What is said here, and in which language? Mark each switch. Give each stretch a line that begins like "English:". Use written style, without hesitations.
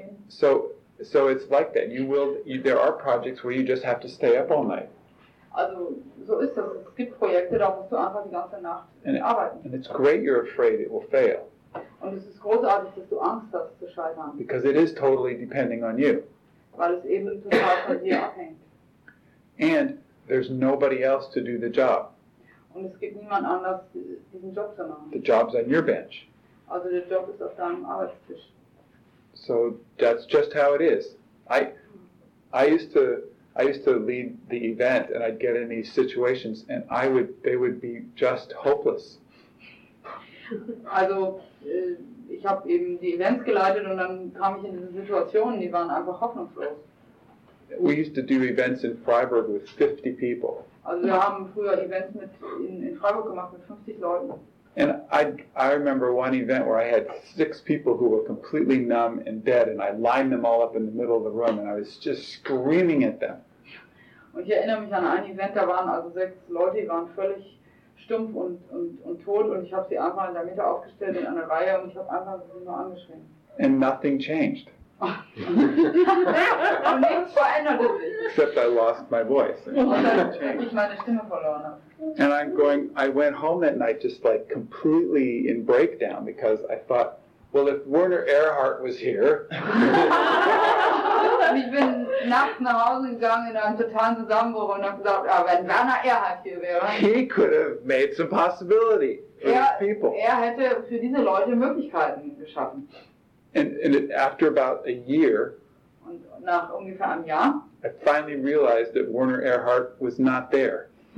English: So it's like that. There are projects where you just have to stay up all night.
German: Also, so ist das. Es gibt Projekte, da musst du einfach die ganze Nacht arbeiten.
English: And it's great you're afraid it will fail.
German: Und es ist großartig, dass du Angst hast zu scheitern.
English: Because it is totally depending on you.
German: Weil es eben total von dir abhängt.
English: And there's nobody else to do the job.
German: Und es gibt niemand anders, diesen Job zu machen.
English: The job's on your bench.
German: Also der Job ist auf deinem Arbeitstisch.
English: So that's just how it is. I used to lead the event, and I'd get in these situations, and they would be just hopeless.
German: Also, ich habe eben die Events geleitet, und dann kam ich in diese Situationen, die waren einfach hoffnungslos.
English: We used to do events in Freiburg with 50 people.
German: Also, wir haben früher Events in Freiburg gemacht mit 50 Leuten.
English: And I remember one event where I had 6 people who were completely numb and dead, and I lined them all up in the middle of the room, and I was just screaming at them.
German: Und ich erinnere mich an ein Event, da waren also 6 Leute, die waren völlig stumpf und tot und ich habe sie einfach in der Mitte aufgestellt in einer Reihe und ich habe einfach sie nur angeschrien.
English: And nothing changed.
German: Und nichts veränderte sich.
English: Except I lost my voice.
German: Ich meine Stimme verloren habe.
English: And I went home that night just like completely in breakdown because I thought, well, if Werner Erhard was here.
German: Und ich bin nachts nach Hause gegangen in einem totalen Zusammenbruch und habe gesagt, ah, wenn Werner Erhard hier wäre.
English: He could have made some possibility for these people.
German: Er hätte für diese Leute Möglichkeiten geschaffen.
English: And after about a year.
German: Und nach ungefähr einem Jahr.
English: I finally realized that Werner Erhard was not there.